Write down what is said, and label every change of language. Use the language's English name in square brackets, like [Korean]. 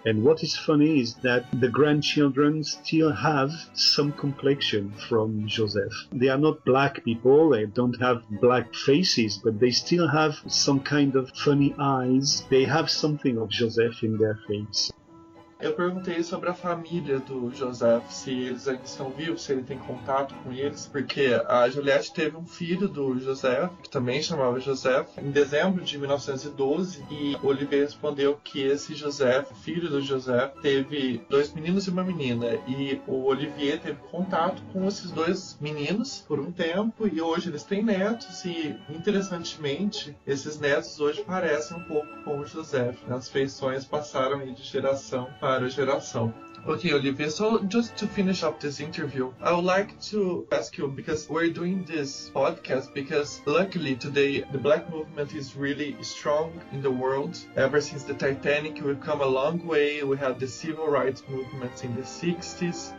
[English] And what is funny is that the grandchildren still have some complexion from Joseph. They are not black people, they don't have black faces, but they still have some kind of funny eyes. They have something of Joseph in their face. [Portuguese] Eu perguntei sobre a família do Joseph, se eles ainda estão vivos, se ele tem contato com eles, porque a Juliette teve um filho do Joseph, que também chamava Joseph, em dezembro de 1912, e Olivier respondeu que esse Joseph, filho do Joseph, teve dois meninos e uma menina, e o Olivier teve contato com esses dois meninos por um tempo, e hoje eles têm netos, e interessantemente, esses netos hoje parecem um pouco com o Joseph, as feições passaram de geração para a geração. [English] Okay, Olivier, so just to finish up this interview, I would like to ask you, because we're doing this podcast because luckily today the black movement is really strong in the world. Ever since the Titanic, we've come a long way. We have the civil rights movements in the 60s.